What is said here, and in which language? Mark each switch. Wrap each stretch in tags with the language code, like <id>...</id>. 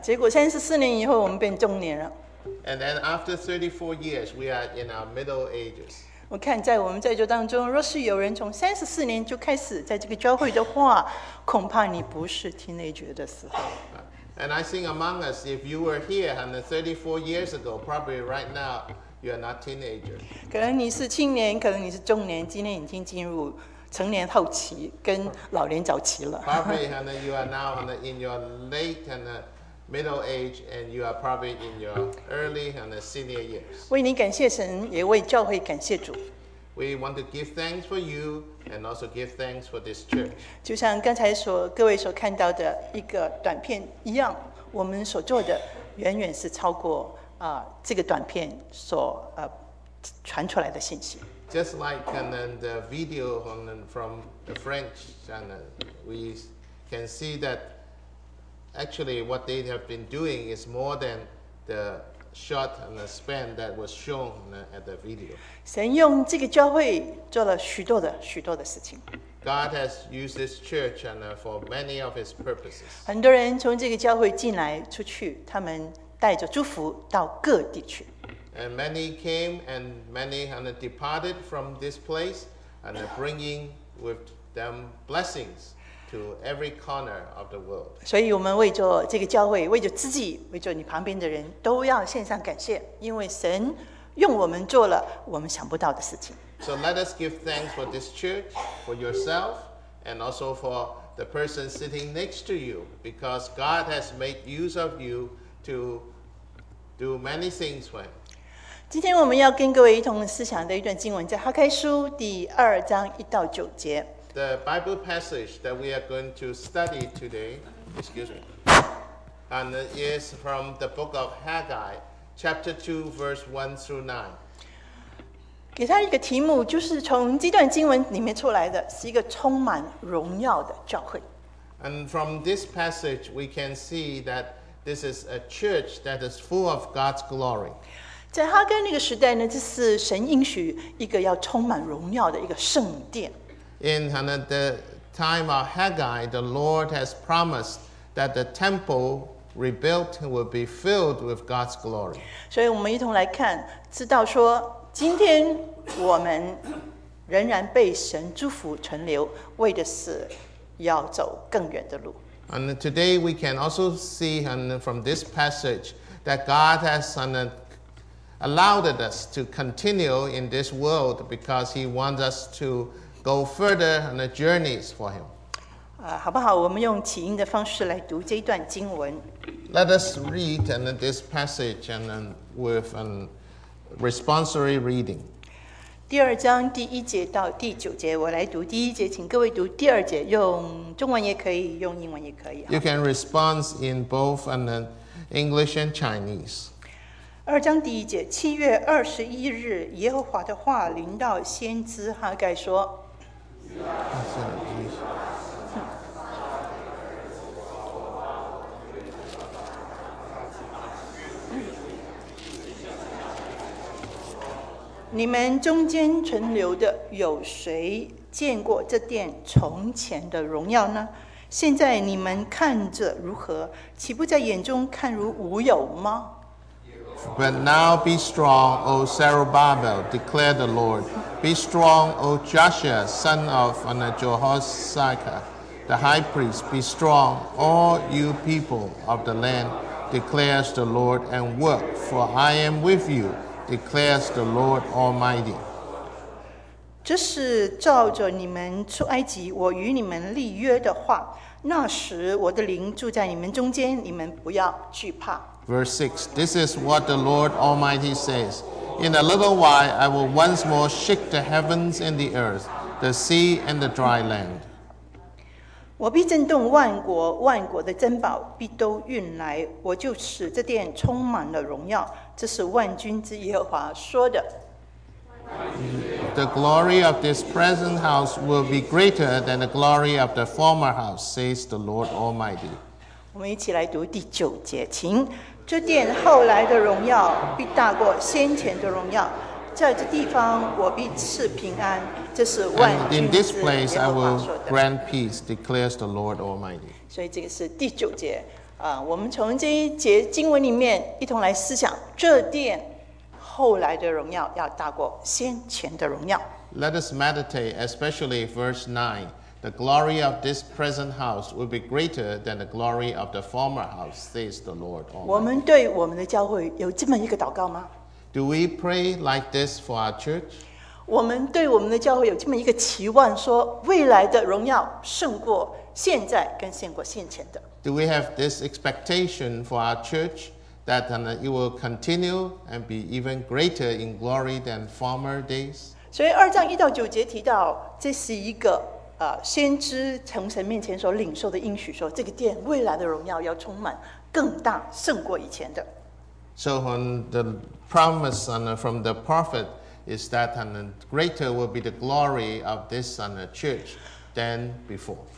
<zh>结果34年以后我们变中年了。</zh> <en>And then after 34 years, we are in our middle ages.</en> <zh>我看在我们在座当中，若是有人从34年就开始在这个教会的话，恐怕你不是 teenager 的时候。</zh> <en>And I think among us, if you were here and 34 years ago, probably right now. You are not teenager.</en> <zh>可能你是青年，可能你是中年，今天已经进入成年后期，跟老年早期了。</zh> <en>Probably, and you are now in your late and middle age, and you are probably in your early and senior years.</en> <zh>为你感谢神，也为教会感谢主。</zh> <en>We want to give thanks for you, and also give thanks for this church.</en> <zh>就像刚才各位所看到的一个短片一样，我们所做的远远是超过。这个短片所传出来的信息。</zh> <en>Just like the video from the French channel, we can see that actually what they have been doing is more than the short and the span that was shown at the video.</en> <zh>神用这个教会做了许多的许多的事情。</zh> <en>God has used this church for many of His purposes.</en> <zh>很多人从这个教会进来出去，他们。带着祝福到各地去。</zh> <en>And many came and many departed from this place and bringing with them blessings to every corner of the world.</en> <zh>所以我们为着这个教会，为着自己，为着你旁边的人，都要献上感谢，因为神用我们做了我们想不到的事情。</zh> <en>So let us give thanks for this church, for yourself, and also for the person sitting next to you, because God has made use of you. To do many things when.</en> <zh>今天我们要跟各位一同思想的一段经文，在哈开书第二章一到九节。</zh> <en>The Bible passage that we are going to study today, excuse me, and is from the book of Haggai, chapter 2, verse 1 through 9.</en> <zh>给他一个题目，就是从这段经文里面出来的，是一个充满荣耀的教会。</zh> <en>And from this passage, we can see that. This is a church that is full of God's glory.</en> <zh>在哈该那个时代呢，这是神应许一个要充满荣耀的一个圣殿。</zh> <en>In the time of Haggai, the Lord has promised that the temple rebuilt will be filled with God's glory.</en> <zh>所以我们一同来看，知道说今天我们仍然被神祝福存留，为的是要走更远的路。</zh> <en>And today we can also see from this passage that God has allowed us to continue in this world because He wants us to go further on the journeys for Him.</en> <zh>好不好？我们用起音的方式来读这一段经文。</zh> <en>Let us read this passage with a responsory reading.</en> <zh>第二章第一节到第九节，我来读第一节，请各位读第二节，用。中文也可以，用英文也可以。</zh> <en>You can respond in both English and Chinese.</en> <zh>二章第一节，七月二十一日，耶和华的话临到先知哈该说。你们中间存留的有谁？见过这殿从前的荣耀呢？现在你们看着如何？岂不在眼中看如无有吗？</zh> <en>But now be strong, O Zerubbabel, declare the Lord. Be strong, O Joshua, son of Jehoshaphat, the high priest. Be strong, all you people of the land, declares the Lord, and work, for I am with you, declares the Lord Almighty.</en> <zh>这是照着你们出埃及，我与你们立约的话。那时我的灵住在你们中间，你们不要惧怕。</zh> <en>Verse 6, this is what the Lord Almighty says. In a little while, I will once more shake the heavens and the earth, the sea and the dry land.</en> <zh>我必震动万国，万国的珍宝必都运来，我就使这殿充满了荣耀。这是万军之耶和华说的。</zh> <en>The glory of this present house will be greater than the glory of the former house, says the Lord Almighty.</en> <zh>我们一起来读第九节，请。这殿后来的荣耀必大过先前的荣耀，在这地方我必赐平安，这是万军之耶和华。</zh> <en>In this place I will grant peace, declares the Lord Almighty.</en> <zh>所以这个是第九节，我们从这一节经文里面一同来思想这殿。后来的荣耀要大过先前的荣耀。</zh> <en>Let us meditate, especially verse 9. The glory of this present house will be greater than the glory of the former house, says the Lord Almighty.</en> <zh>我们对我们的教会有这么一个祷告吗？</zh> <en>Do we pray like this for our church?</en> <zh>我们对我们的教会有这么一个期望，说未来的荣耀胜过现在跟胜过先前的。</zh> <en>Do we have this expectation for our church? That it will continue and be even greater in glory than former days.</en> <zh>所以二章一到九节提到，这是一个先知从神面前所领受的应许，说这个殿未来的荣耀要充满更大，胜过以前的。</zh> <en>So when the promise from the prophet is that greater will be the glory of this church than before.</en>